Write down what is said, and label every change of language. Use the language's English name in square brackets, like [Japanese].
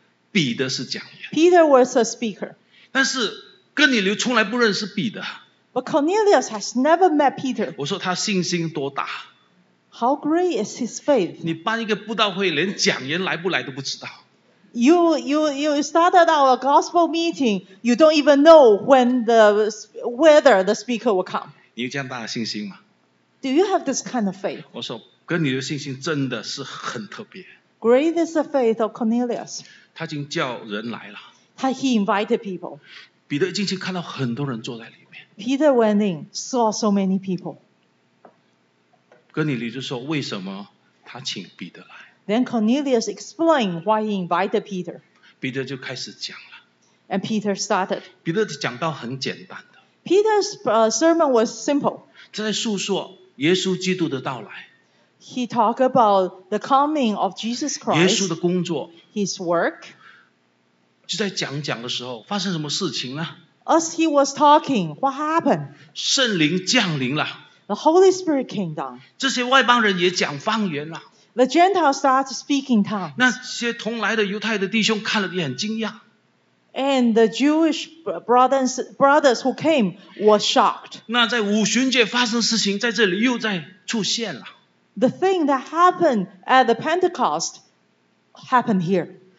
[Chinese] 彼得是讲员。 [English] Peter was a speaker. [Chinese] 但是哥尼流从来不认识彼得。 [English] But Cornelius has never met Peter. [Chinese] 我说他信心多大。 [English] How great is his faith? [Chinese] 你办一个布道会，连讲员来不来都不知道。 [English] You started our gospel meeting. You don't even know whether the speaker will come. [Chinese] 你有这样大的信心吗？ [English] Do you have this kind of faith? [Chinese] 我说，哥尼流信心真的是很特别。 [English] Great is the faith of Cornelius. [Chinese] 他已经叫人来了。 [English] He invited people. [Chinese] 彼得进去看到很多人坐在里面。 [English] Peter went in, saw so many people. [Chinese] 哥尼流就说，为什么他请彼得来？ [English] Then Cornelius explained why he invited Peter. [Chinese] 彼得就开始讲了。 [English] And Peter started. [Chinese] 彼得讲到很简单的。 [English] Peter's sermon was simple. [Chinese] 在述说耶稣基督的到来。 [English] He talked about the coming of Jesus Christ. [Chinese] 耶稣的工作。 [English] His work. [Chinese] 就在讲讲的时候，发生什么事情呢？ [English] As he was talking, what happened? [Chinese] 圣灵降临了。 [English] The Holy Spirit came down. [Chinese] 这些外邦人也讲方言了。 [English] The Gentiles started speaking tongues. [Chinese] 那些同来的犹太的弟兄看了也很惊讶。 [English] And the Jewish brothers who came were shocked. [Chinese] 那在五旬节发生事情在这里又在出现了。 [English] The thing that happened at the Pentecost happened here.